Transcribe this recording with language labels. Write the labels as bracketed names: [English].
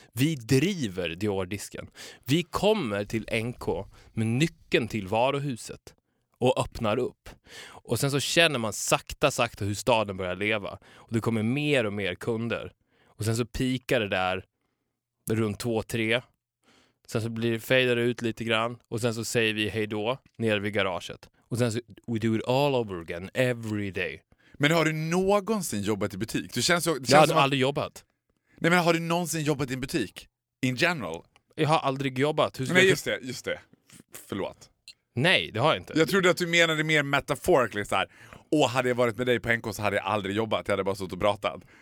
[Swedish] Vi driver Dior-disken. Vi kommer till NK med nyckeln till varuhuset och öppnar upp. Och sen så känner man sakta hur staden börjar leva. Och det kommer mer och mer kunder. Och sen så pikar det där runt 2-3. Sen så blir det fejdare ut lite grann. Och sen så säger vi hej då nere vid garaget. Och sen så [English] we do it all over again every day. [Swedish] Men har du någonsin jobbat i butik? Jag har aldrig jobbat. Nej, men har du någonsin jobbat i en butik? [English] In general? [Swedish] Jag har aldrig jobbat. Nej, just det. Förlåt. Nej, det har jag inte. Jag trodde att du menade mer metaforiskt så här. Åh, hade jag varit med dig på NK så hade jag aldrig jobbat. Jag hade bara suttit och pratat.